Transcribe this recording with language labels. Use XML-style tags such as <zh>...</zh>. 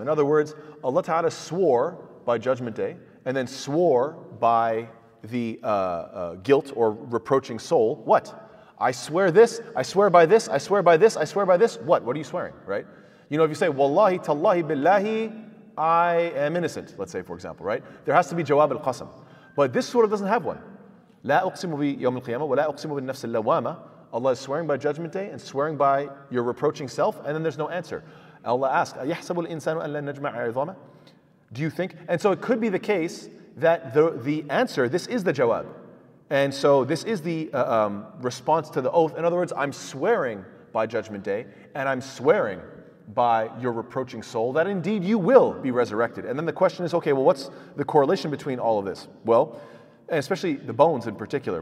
<en>In other words, Allah Ta'ala swore by Judgment Day, and then swore by the guilt or reproaching soul, what? I swear this, I swear by this, I swear by this, I swear by this, what? What are you swearing, right? If you say, Wallahi, Tallahi, Billahi, I am innocent, let's say for example, right? There has to be jawab al-qasam. But this surah doesn't have one.</en> <ar>لا أقسم بيوم القيامة ولا أقسم بالنفس اللوامة.</ar> <en>Allah is swearing by Judgment Day and swearing by your reproaching self, and then there's no answer. Allah asks,</en> <ar>أَيَحْسَبُ الْإِنسَانُ أَن لَن نَجْمَعَ عِظَامَهُ.</ar> <en>Do you think? And so it could be the case that the answer, this is the jawab. And so this is the response to the oath. In other words, I'm swearing by Judgment Day, and I'm swearing by your reproaching soul that indeed you will be resurrected. And then the question is, okay, well, what's the correlation between all of this? Well, and especially the bones in particular.</en>